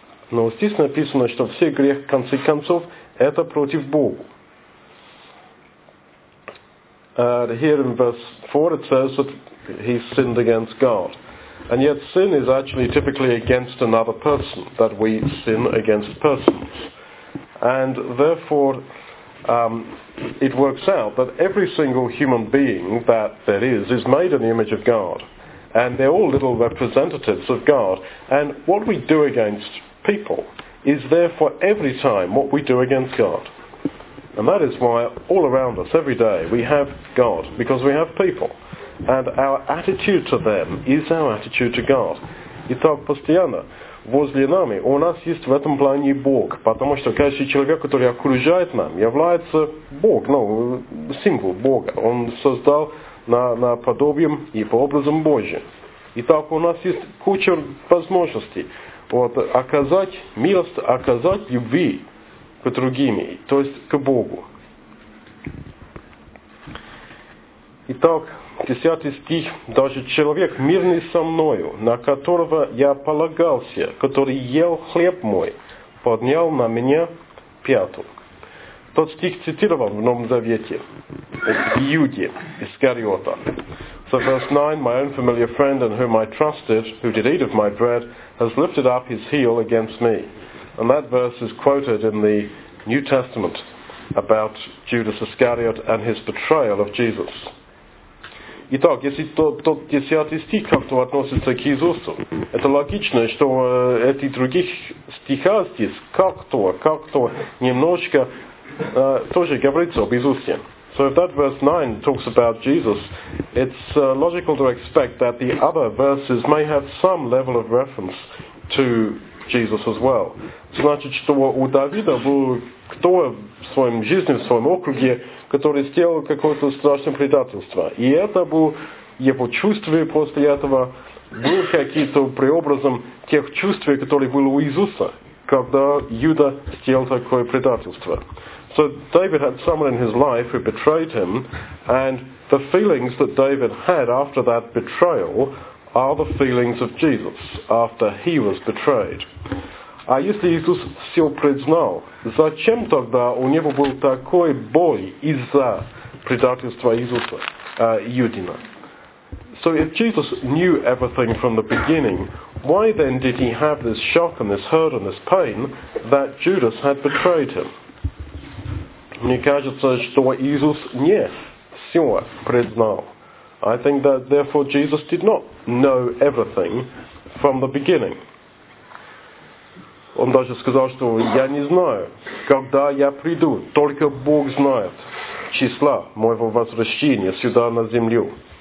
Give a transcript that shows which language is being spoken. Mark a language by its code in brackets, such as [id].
[ru] Но здесь написано, что все грех, в конце концов, это против Бога. [en] Here in verse 4 it says that he sinned against God. And yet sin is actually typically against another person, that we sin against persons. And therefore, it works out that every single human being that there is made in the image of God. And they're all little representatives of God. And what we do against people is therefore every time what we do against God. And that is why all around us, every day, we have God, because we have people. And our attitude to them is our attitude to God. [ru] Итак, постоянно возле нами у нас есть в этом плане Бог, потому что каждый человек, который окружает нам, является Бог, ну, символ Бога. Он создал на подобием и по образу Божьим. Итак, у нас есть куча возможностей вот, оказать милость, оказать любви к другим, то есть к Богу. Итак, 10 стих. «Даже человек, мирный со мною, на которого я полагался, который ел хлеб мой, поднял на меня пяту». Тот стих цитирован в Новом Завете. [en] Иуде Искариота. So verse 9, «My own familiar friend, in whom I trusted, who did eat of my bread, has lifted up his heel against me». And that verse is quoted in the New Testament about Judas Iscariot and his betrayal of Jesus. [ru] Итак, если тот 10 стих как-то относится к Иисусу, это логично, что эти других стиха здесь как-то немножко тоже говорится об Иисусе. [en] So if that verse 9 talks about Jesus, it's logical to expect that the other verses may have some level of reference to Jesus as well. [ru] Значит, что у Давида был кто в своем жизни, в своем округе, который сделал какое-то страшное предательство. И это было его чувство после этого, были какие-то преобразы тех чувств, которые были у Иисуса, когда Иуда сделал такое предательство. [en] So David had someone in his life who betrayed him, and the feelings that David had after that betrayal are the feelings of Jesus after he was betrayed. [ru] А если Иисус все признал, зачем тогда у него был такой боль из-за предательства Иисуса, Иудина? [en] So if Jesus knew everything from the beginning, why then did he have this shock and this hurt and this pain that Judas had betrayed him? [ru] Мне кажется, что Иисус не все признал. [en] I think that therefore Jesus did not know everything from the beginning. [ru] Он даже сказал, что я не знаю, когда я приду, только Бог знает числа моего возвращения сюда на землю.